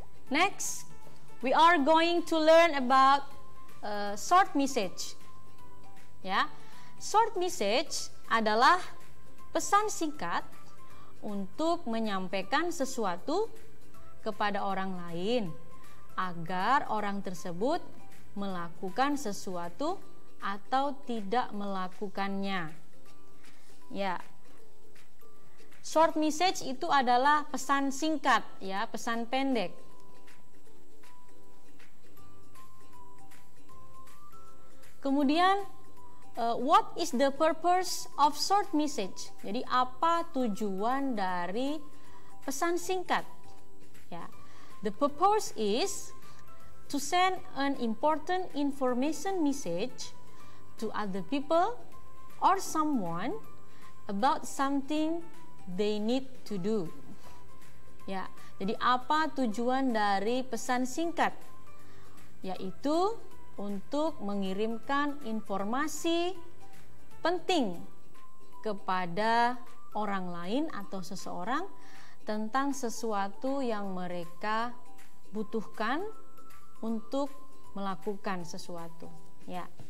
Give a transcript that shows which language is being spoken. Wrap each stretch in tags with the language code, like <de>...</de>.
<en>Next, we are going to learn about short message. Ya, yeah.</en> <id>Short message adalah pesan singkat untuk menyampaikan sesuatu kepada orang lain agar orang tersebut melakukan sesuatu atau tidak melakukannya. Ya. Short message itu adalah pesan singkat, ya, pesan pendek. Kemudian</id> <en>what is the purpose of short message?</en> <id>Jadi apa tujuan dari pesan singkat? Ya.</id> <en>The purpose is to send an important information message to other people or someone about something they need to do.</en> <id>Ya. Jadi apa tujuan dari pesan singkat? Yaitu untuk mengirimkan informasi penting kepada orang lain atau seseorang tentang sesuatu yang mereka butuhkan untuk melakukan sesuatu. Ya.</id>